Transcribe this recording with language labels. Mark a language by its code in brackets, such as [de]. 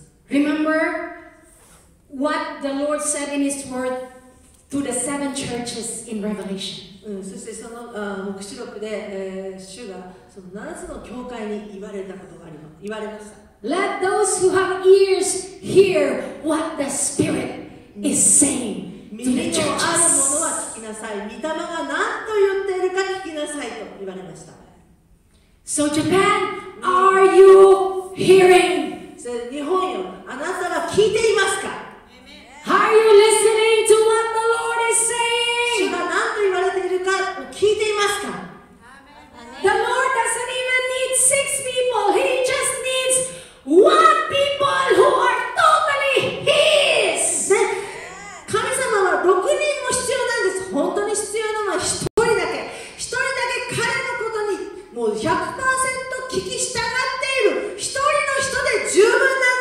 [en] Remember what the Lord said in His word to the seven churches in Revelation. [ja] そしてその黙示録で主がその七つの教会に言われたことがあります。言われました。 [en] Let those who have ears hear what the Spirit is saying to the churches. [ja] 耳のある者は聞きなさい。御霊が何と言っているか聞きなさいと言われました。 [en] So Japan, are you hearing? [ja] 日本よ、あなたは聞いていますか？ [en] Are you listening to what the Lord is saying? [ja] 主が何と言われているか聞いていますか？ [en] The Lord doesn't even need six people. He just needs one people who are totally His. [ja] 神様は6人も必要なんです。本当に必要なのは1人だけ。 1人だけ彼のことにもう 100% 聞き従っている1人の人で十分。